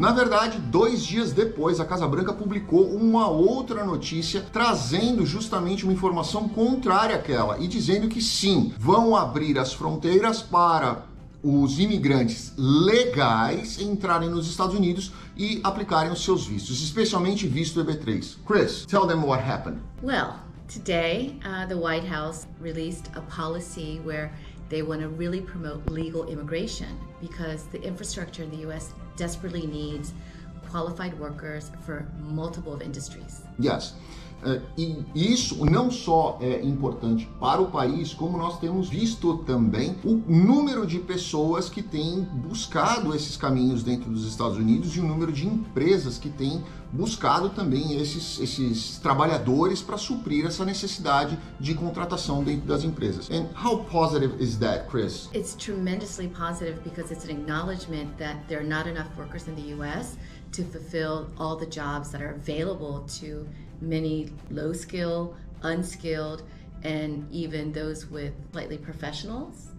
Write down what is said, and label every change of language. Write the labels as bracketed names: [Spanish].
[Portuguese] Na verdade, dois dias depois, a Casa Branca publicou uma outra notícia trazendo justamente uma informação contrária àquela e dizendo que sim, vão abrir as fronteiras para os imigrantes legais entrarem nos Estados Unidos e aplicarem os seus vistos, especialmente visto EB3. [English] Chris, tell them what happened. Well, today the White House released a policy where they want to really promote legal immigration because the infrastructure in the US desperately needs qualified workers for multiple of industries. Yes. [Portuguese] E isso não só é importante para o país, como nós temos visto também o número de pessoas que têm buscado esses caminhos dentro dos Estados Unidos e o número de empresas que têm buscado também esses trabalhadores para suprir essa necessidade de contratação dentro das empresas. [English] And how positive is that, Chris? It's tremendously positive because it's an acknowledgement that there are not enough workers in the US to fulfill all the jobs that are available to many low skill, unskilled, and even those with slightly professionals.